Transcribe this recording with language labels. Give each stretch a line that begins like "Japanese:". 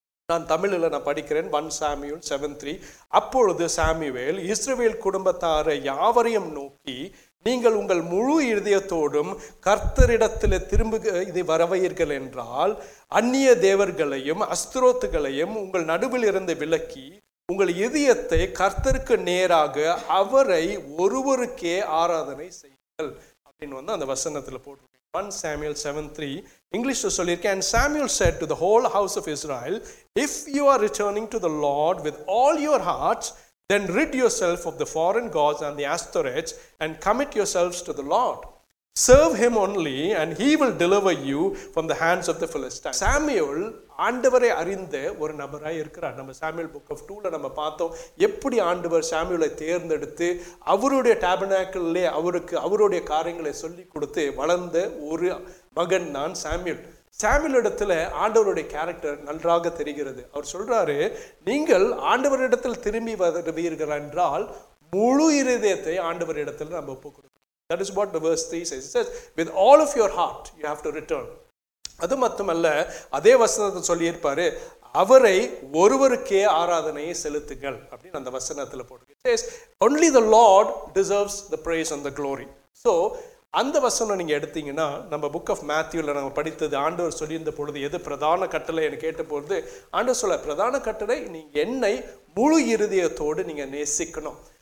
Tamil: நான் தமிழில் நான் படிக்கிறேன். 1 சாமுவேல் 7:3, அப்பொழுது சாமுவேல் இஸ்ரவேல் குடும்பத்தாரை யாவரையும் நோக்கி, நீங்கள் உங்கள் முழு இதயத்தோடும் கர்த்தரிடத்தில் திரும்ப இதை வரவையீர்கள் என்றால், அந்நிய தேவர்களையும் அஸ்துரோத்துகளையும் உங்கள் நடுவில் இருந்து விலக்கி உங்கள் இதயத்தை கர்த்தருக்கு நேராக அவரை ஒருவருக்கே ஆராதனை செய்யுங்கள் அப்படின்னு வந்து அந்த வசனத்தில் போட்டு.
English: 1 Samuel 7:3 English to say, and Samuel said to the whole house of Israel, if you are returning to the Lord with all your hearts, then rid yourself of the foreign gods and the Ashtoreths and commit yourselves to the Lord. Serve him only and he will deliver you from the hands of the Philistines.
Tamil: Samuel ஆண்டவரை அறிந்த ஒரு நபராக இருக்கிறார். நம்ம Samuel book of 2 நம்ம பார்த்தோம் எப்படி ஆண்டவர் சாமுவேலை தேர்ந்தெடுத்து அவருடைய டேபனாக்கிள்லே அவருக்கு அவருடைய காரியங்களை சொல்லி கொடுத்து வளர்ந்த ஒரு மகன் தான் சாமுவேல். சாமுவேலிடத்தில் ஆண்டவருடைய கேரக்டர் நன்றாக தெரிகிறது. அவர் சொல்றாரு, நீங்கள் ஆண்டவரிடத்தில் திரும்பி வருவீர்கள் என்றால் முழு இருதயத்தை ஆண்டவரிடத்தில் நம்ம ஒப்புக்கொடுக்கணும்.
English: That is what the verse 3 says. It says, with all of your heart, you have to return.
Tamil: அது மட்டுமல்ல, அதே வசனத்தை சொல்லியிருப்பாரு, அவரை ஒருவருக்கே ஆராதனையை செலுத்துங்கள் அப்படின்னு அந்த வசனத்தில் போட்டு.
English: Only the lord deserves the praise and the glory.
Tamil: So அந்த வசனம் நீங்கள் எடுத்தீங்கன்னா, நம்ம புக் ஆஃப் மேத்யூவில் நம்ம படித்தது ஆண்டவர் சொல்லியிருந்த பொழுது எது பிரதான கட்டளை என்று கேட்டபொழுது ஆண்டவர் சொல்ல, பிரதான கட்டளை நீங்கள் என்னை முழு இருதயத்தோடு நீங்கள் நேசிக்கணும்.